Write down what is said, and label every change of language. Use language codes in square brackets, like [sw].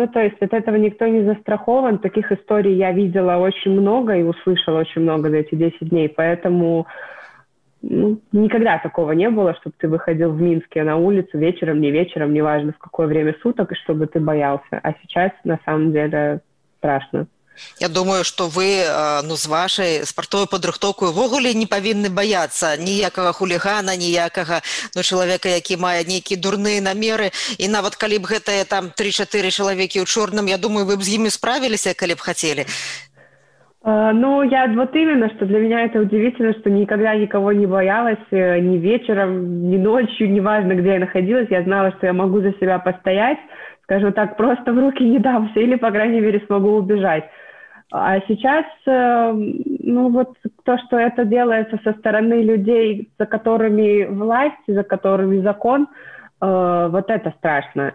[ru] Ну, то есть от этого никто не застрахован. Таких историй я видела очень много и услышала очень много за эти 10 дней. Поэтому никогда такого не было, чтобы ты выходил в Минске на улицу вечером, неважно в какое время суток, и чтобы ты боялся. А сейчас на самом деле страшно. [be] Я думаю, што вы ну, з вашай спартовай падрыхтоўкай увогуле не павінны баяцца ніякага хулігана, ніякага ну, чалавека, які мае нейкія дурныя намеры. І нават калі б гэтыя там 3-4 чалавекі ў чорным, я думаю, вы б з імі справіліся, калі б хацелі. [ru] Ну, я вот именно, что для меня это удивительно, что никогда никого не боялась, ни вечером, ни ночью, неважно, где я находилась, я знала, что я могу за себя постоять, скажем так, просто в руки не дамся или, по крайней мере, смогу убежать. А сейчас, ну вот, то, что это делается со стороны людей, за которыми власть, за которыми закон, вот это страшно.